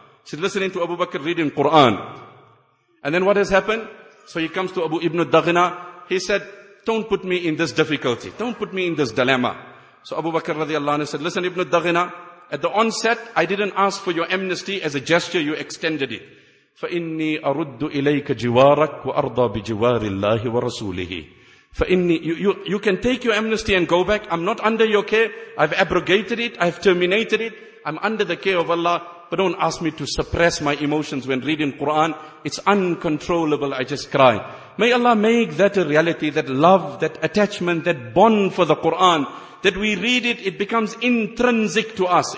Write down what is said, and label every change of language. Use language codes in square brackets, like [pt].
[en] She's listening to Abu Bakr reading Quran. And then what has happened? So he comes to Abu Ibn Daghina. He said, don't put me in this difficulty. Don't put me in this dilemma. So Abu Bakr radiallahu anhu said, listen, Ibn Daghina, at the onset, I didn't ask for your amnesty as a gesture, you extended it. [ar] فَإِنِّي أَرُدُّ إِلَيْكَ جِوَارَكُ وَأَرْضَى بِجِوَارِ اللَّهِ وَرَسُولِهِ فَإِنِّي [en] You can take your amnesty and go back. I'm not under your care. I've abrogated it. I've terminated it. I'm under the care of Allah. But don't ask me to suppress my emotions when reading Quran. It's uncontrollable. I just cry. May Allah make that a reality, that love, that attachment, that bond for the Quran, that we read it, it becomes intrinsic to us.